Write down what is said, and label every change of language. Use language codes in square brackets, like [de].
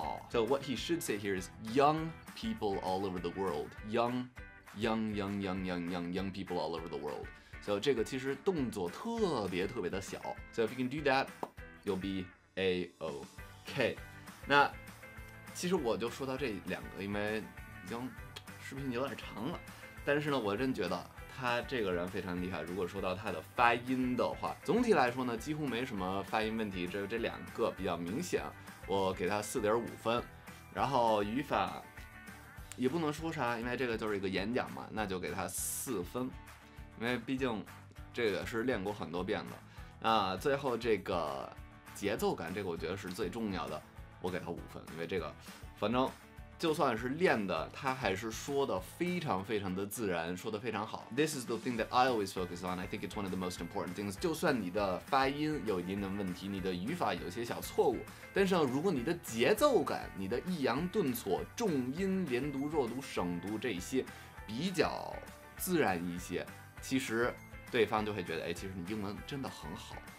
[en] So what he should say here is young people all over the world. Young people all over the world. [zh] So 这个其实动作特别特别的小。 [en] So if you can do that, you'll be A-OK. [zh] 那其实我就说到这两个，因为已经视频有点长了。但是呢，我真觉得他这个人非常厉害。如果说到他的发音的话，总体来说呢，几乎没什么发音问题，只有这两个比较明显。我给他4.5分，然后语法也不能说啥，因为这个就是一个演讲嘛，那就给他4分，因为毕竟这个是练过很多遍的。那最后这个节奏感，这个我觉得是最重要的，我给他5分，因为这个反正就算是练的，他还是说的非常非常的自然，说的非常好。 [en] This is the thing that I always focus on. I think it's one of the most important things. [zh] 就算你的发音有一定的问题，你的语法有些小错误，但是如果你的节奏感，你的抑扬顿挫，重音连读弱读省读这些比较自然一些，其实对方就会觉得，哎，其实你英文真的很好。